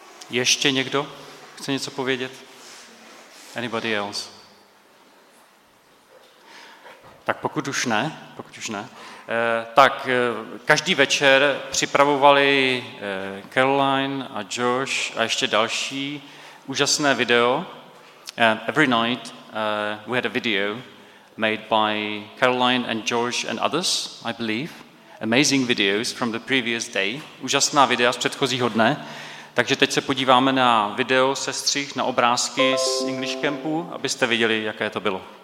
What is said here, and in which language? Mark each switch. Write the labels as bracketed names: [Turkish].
[Czech] Ještě někdo chce něco povědět? [English] Anybody else? [Czech] Tak pokud už ne, tak každý večer připravovali Caroline a Josh a ještě další úžasné video. [English] Every night we had a video made by Caroline and Josh and others, I believe. Amazing videos from the previous day. [Czech] Úžasná videa z předchozího dne. Takže teď se podíváme na video, sestřih, na obrázky z English Campu, abyste viděli, jaké to bylo.